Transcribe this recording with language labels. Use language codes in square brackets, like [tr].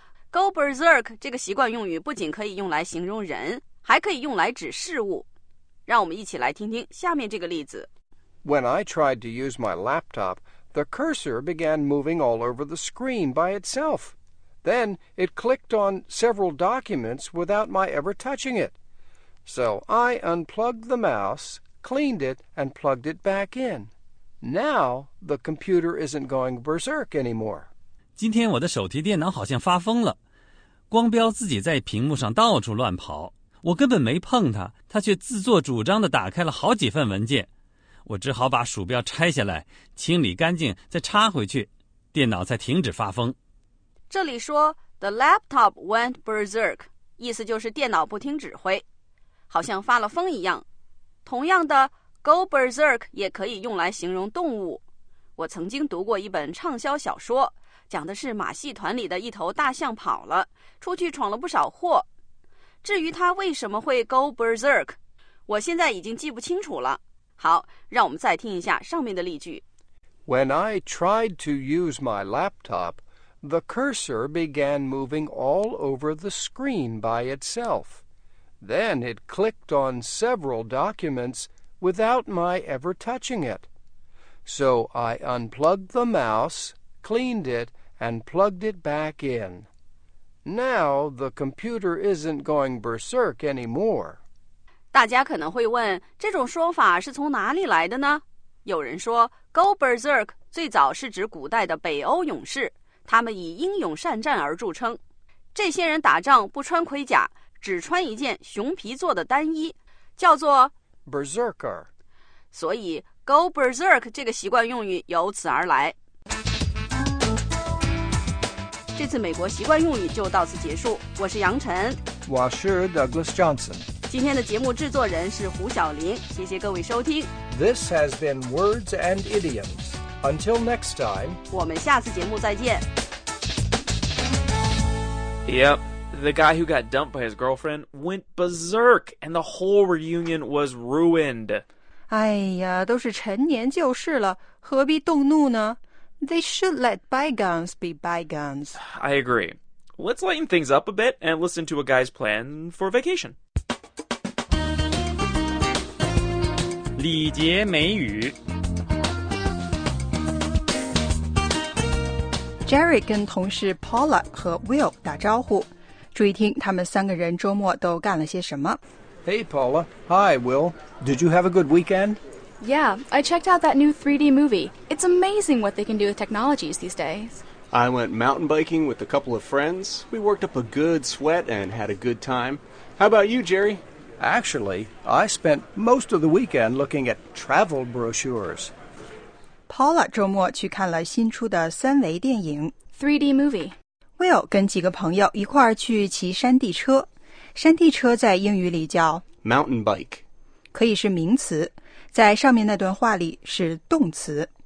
[zh] Go berserk 这个习惯用语不仅可以用来形容人，还可以用来指事物。让我们一起来听听下面这个例子。 [en] When I tried to use my laptop, the cursor began moving all over the screen by itself. Then it clicked on several documents without my ever touching it. So I unplugged the mouse, cleaned it, and plugged it back in. Now the computer isn't going berserk anymore. [zh] 今天我的手提电脑好像发疯了，光标自己在屏幕上到处乱跑，我根本没碰它，它却自作主张地打开了好几份文件，我只好把鼠标拆下来，清理干净，再插回去，电脑才停止发疯。这里说 [en] The laptop went berserk， [zh] 意思就是电脑不听指挥，好像发了疯一样。同样的 Go berserk 也可以用来形容动物。我曾经读过一本畅销小说，讲的是马戏团里的一头大象跑了，出去闯了不少祸。至于它为什么会 go berserk， 我现在已经记不清楚了。好，让我们再听一下上面的例句。 [en] When I tried to use my laptop, the cursor began moving all over the screen by itself. Then it clicked on several documents without my ever touching it. So I unplugged the mouse, cleaned it,and plugged it back in. Now the computer isn't going berserk anymore. [zh] 大家可能会问，这种说法是从哪里来的呢？有人说 ，Go berserk 最早是指古代的北欧勇士，他们以英勇善战而著称。这些人打仗不穿盔甲，只穿一件熊皮做的单衣，叫做 [en] berserker。 [zh] 所以 ，Go berserk 这个习惯用语由此而来。这次美国习惯用语就到此结束，我是杨晨，我是 Douglas Johnson，今天的节目制作人是胡晓玲，谢谢各位收听。 [en] This has been Words and Idioms. Until next time， [zh] 我们下次节目再见。 [en] Yep, the guy who got dumped by his girlfriend went berserk and the whole reunion was ruined. [zh] 哎呀，都是陈年旧事了，何必动怒呢？ [en] They should let bygones be bygones. I agree. Let's lighten things up a bit and listen to a guy's plan for vacation. [zh] 礼节美语。 Jerry 跟同事 Paula 和 Will 打招呼，注意听他们三个人周末都干了些什么。 [en] Hey Paula. Hi Will. Did you have a good weekend? Yeah, I checked out that new 3D movie. It's amazing what they can do with technologies these days. I went mountain biking with a couple of friends. We worked up a good sweat and had a good time. How about you, Jerry? Actually, I spent most of the weekend looking at travel brochures. [zh] Paula 周末去看了新出的三维电影 [en] 3D movie. [zh] Will 跟几个朋友一块儿去骑山地车。山地车在英语里叫 [en] mountain bike. [zh] 可以是名词。在上面那段话里是动词。